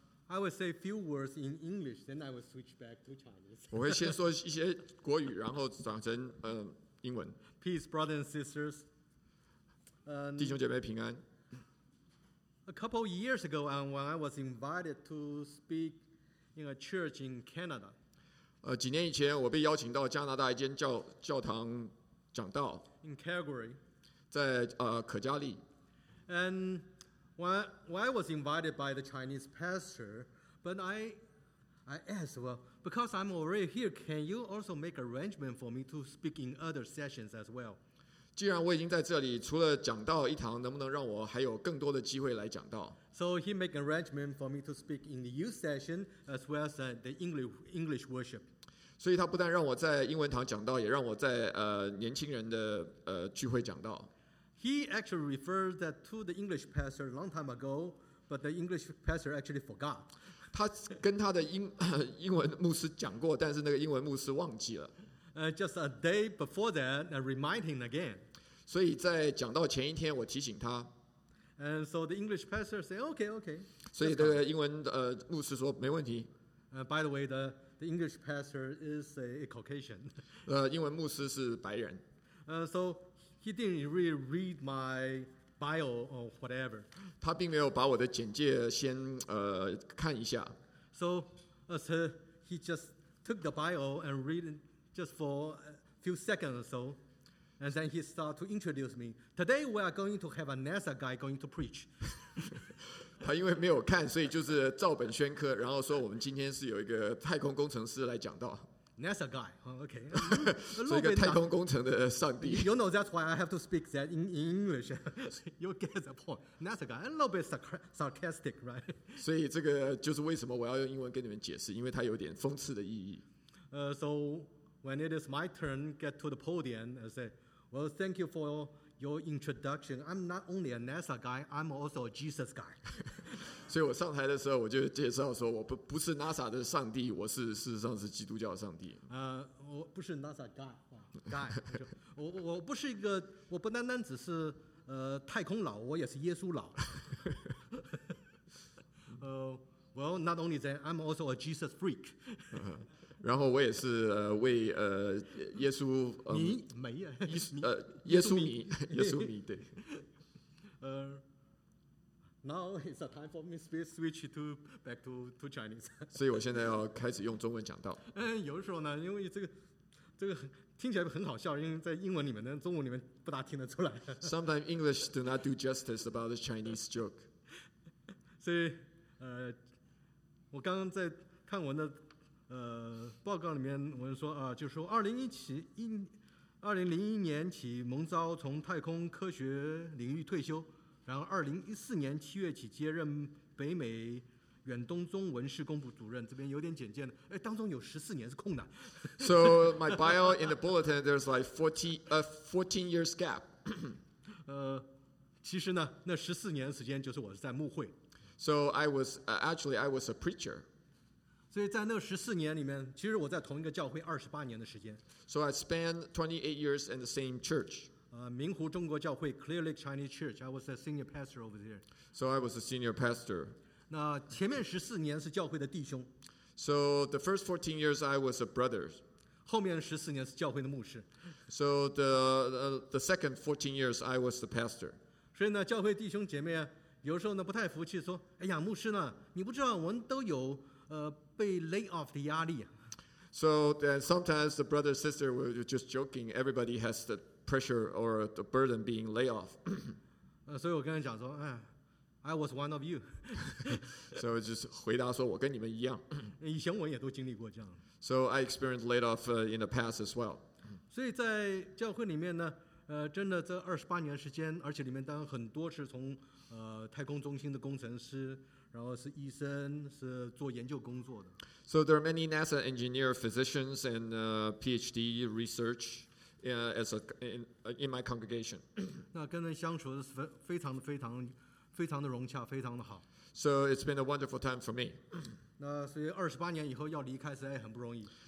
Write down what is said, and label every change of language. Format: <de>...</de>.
<en>I would say a few words in English, then I would switch back to Chinese.</en> <zh>我会先说一些国语，然后转成英文。</zh> <en>Peace, brothers and sisters.</en> <zh>弟兄姐妹平安。</zh> <en>A couple of years ago, when I was invited to speak in a church in Canada.</en> <zh>几年以前我被邀请到加拿大一间教堂讲道。</zh> <en>In Calgary.</en> <zh>在可加利。</zh> <en>And when I was invited by the Chinese pastor, but I asked, well, because I'm already here, can you also make arrangement for me to speak in other sessions as well?</en> <zh>既然我已经在这里，除了讲到一堂，能不能让我还有更多的机会来讲到？</zh> <en>So he made arrangement for me to speak in the youth session as well as the English worship.</en> <zh>所以他不但让我在英文堂讲道，也让我在年轻人的聚会讲道。</zh> <en>He actually referred that to the English pastor a long time ago, but the English pastor actually forgot.</en> <zh>他跟他的英文牧师讲过，但是那个英文牧师忘记了。</zh> <en>Just a day before that, I remind him again.</en> <zh>所以在讲到前一天，我提醒他。</zh> <en>And so the English pastor said, "Okay, okay."</en> <zh>所以这个英文牧师说没问题。</zh> <en>By the way, the English pastor is a Caucasian.</en> <zh>英文牧师是白人。</zh> <en>So he didn't really read my bio or whatever.</en> <zh>他并没有把我的简介先看一下。</zh> <en>So as he just took the bio and read it. Just for a few seconds or so, and then he start to introduce me. Today we are going to have a NASA guy going to preach.</en> <zh>他因为没有看，所以就是照本宣科，然后说我们今天是有一个太空工程师来讲道。</zh> <en>NASA guy, okay.</en> <zh>所以一个太空工程的上帝。</zh> <en>You know that's why I have to speak that in English. You get the point. NASA guy, a little bit sarcastic, right?</en> <zh>所以这个就是为什么我要用英文跟你们解释，因为它有点讽刺的意义。</zh> <en>So. When it is my turn, get to the podium and say, well, thank you for your introduction. I'm not only a NASA guy, I'm also a Jesus guy.</en> <zh>所以我上台的时候我就介绍说我不是 NASA 的上帝，我是事实上是基督教的上帝。我不是 NASA guy. 我不是一个，我不单单只是太空佬，我也是耶稣佬。</zh> <en>Well, not only that, I'm also a Jesus freak.</en> <zh>然后我也是为耶稣迷没啊，耶稣迷，耶稣迷对。</zh> <en>Now it's a time for me to switch to back to Chinese.</en> <zh>所以我现在要开始用中文讲道。有的时候呢，因为这个听起来很好笑，因为在英文里面、中文里面不大听得出来。</zh> <en>Sometimes English do not do justice about the Chinese joke.</en> <zh>所以我刚刚在看我的报告里面，我们说就说2001年起，蒙召从太空科学领域退休，然后2014年七月起接任北美远东中文事工部主任。这边有点简介的，当中有14年是空的。</zh> <en>So my bio in the bulletin, there's like 14 years gap.</en> <zh>其实呢，那十四年时间就是我是在牧会。</zh> <en>So I was actually I was a preacher.</en> <zh>所以在那14年里面，其实我在同一个教会28年的时间。</zh> <en>So I spent 28 years in the same church. 明湖中国教会 Clear Lake Chinese Church. I was a senior pastor over there. So I was a senior pastor.</en> <zh>那前面14年是教会的弟兄。</zh> <en>So the first 14 years I was a brother.</en> <zh>后面14年是教会的牧师。</zh> <en>So the second 14 years I was the pastor.</en> <zh>所以呢，教会弟兄姐妹啊。有时候呢不太服气，说：“哎呀，牧师呢，你不知道我们都有被 lay off 的压力。”</zh> <en>So then sometimes the brother and sister were just joking. Everybody has the pressure or the burden being lay off.</en> <zh>所以我跟他讲说：“</zh> <en>I was one of you. So just</en> <zh>回答说我跟你们一样。以前我也都经历过这样。</zh> <en>So I experienced laid off in the past as well.</en> <zh>所以在教会里面呢。真的这28年时间，而且里面当然很多是从太空中心的工程师，然后是医生，是做研究工作的。</zh> <en>So there are many NASA engineer physicians and PhD research in my congregation.</en> <zh>那跟人相处是非常非常非常的融洽，非常的好。</zh> <en>So it's been a wonderful time for me.</en> <zh>那所以28年以后要离开实在很不容易。</zh>